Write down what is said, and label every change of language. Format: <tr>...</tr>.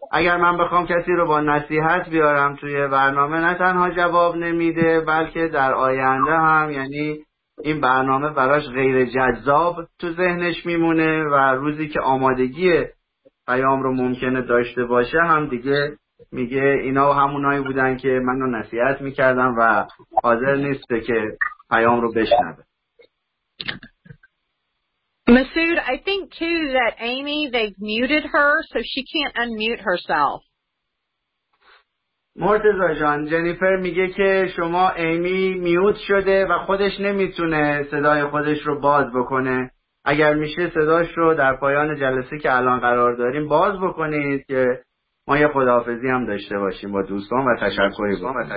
<fa>اگر من بخوام کسی رو با نصیحت بیارم توی برنامه، نه تنها جواب نمیده بلکه در آینده هم، یعنی این برنامه براش غیر جذاب تو ذهنش میمونه و روزی که آمادگی پیام رو ممکنه داشته باشه هم دیگه میگه اینا همونایی بودن که منو نصیحت میکردن و حاضر نیست که پیام رو بشنوه.</fa> <en>Masood, I think too that Amy, they've muted her, so she can't unmute herself.</en> <fa>مرتضی جان، جنیفر میگه که شما ایمی میوت شده و خودش نمیتونه صدای خودش رو باز بکنه. اگر میشه صداش رو در پایان جلسه که الان قرار داریم باز بکنید که ما یه خداحافظی هم داشته باشیم با دوستان و تشکری بکنیم.</fa>